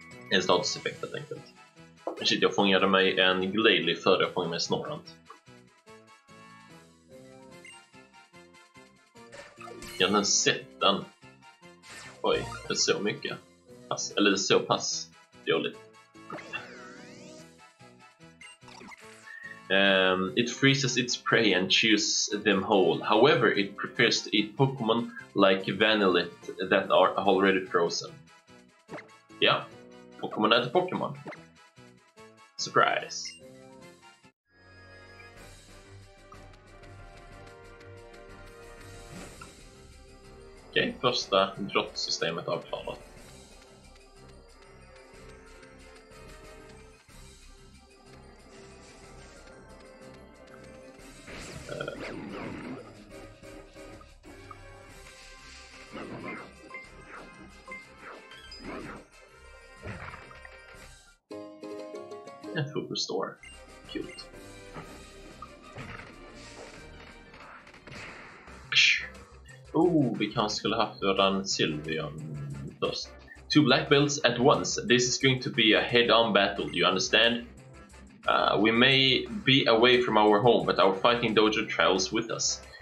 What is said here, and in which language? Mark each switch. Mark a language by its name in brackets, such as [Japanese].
[Swedish] En statuseffekt helt enkelt. Shit, jag fångade mig en Glalie före jag fångade mig Snorrant. Jag har sett den. Oj, det är så mycket. Pass, eller det är så pass dåligt. [English] It freezes its prey and chews them whole. However, it prefers to eat Pokémon like Vanillit that are already frozen. [Swedish] Ja. [English] Yeah. [Swedish] Pokémon äter Pokémon. [English] Surprise! [Swedish] Okej, okay, första grottsystemet avklarat. En Food Restore. [English] Cute. [Swedish] Oh, vi kanske skulle haft våran Sylveon först. [English] Two black belts at once. This is going to be a head-on battle, do you understand? We may be away from our home, but our fighting dojo travels with us.